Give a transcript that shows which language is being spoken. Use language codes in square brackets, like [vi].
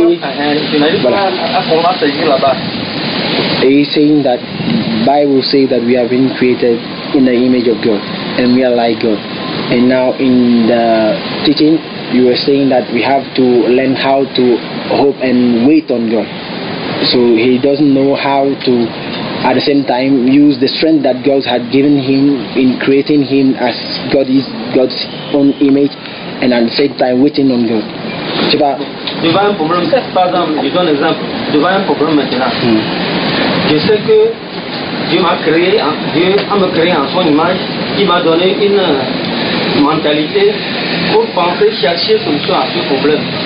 [fr] Je n'arrive pas à comprendre ce qu'il dit là-bas. Et il dit que la Bible dit que nous avons été créés dans l'image de Dieu et que nous sommes comme Dieu. Et maintenant, dans le teaching, vous avez dit que nous devons apprendre comment [en] hope [fr] et [en] wait [fr] sur Dieu. Donc, il ne sait pas comment. [en] At the same time, use the strength that God had given him in creating him as God is God's own image, and at the same time waiting on God. [fr] Tu vois? Devant un problème, par exemple, je donne un exemple. Devant un problème maintenant, je sais que Dieu m'a créé en son image. Il m'a donné une mentalité pour penser, chercher solution à ce problème.